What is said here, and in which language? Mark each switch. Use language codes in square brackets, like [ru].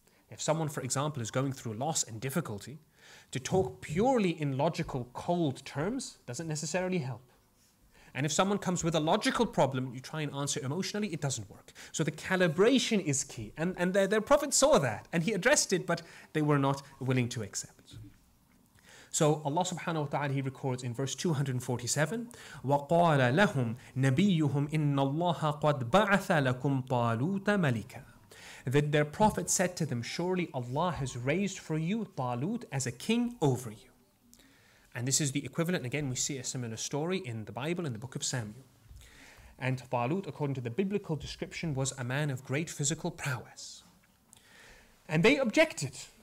[en] If someone, for example, is going through loss and difficulty, to talk purely in logical, cold terms doesn't necessarily help. And if someone comes with a logical problem, you try and answer emotionally, it doesn't work. So the calibration is key. And their prophet saw that, and he addressed it, but they were not willing to accept. So Allah subhanahu wa ta'ala, He records in verse 247, [ar] وَقَالَ لَهُمْ نَبِيُّهُمْ إِنَّ اللَّهَ قَدْ بَعَثَ لَكُمْ طَالُوتَ مَلِكًا. [en] That their prophet said to them, surely Allah has raised for you Talut as a king over you. And this is the equivalent, again we see a similar story in the Bible, in the book of Samuel. And Talut, according to the biblical description, was a man of great physical prowess. And they objected.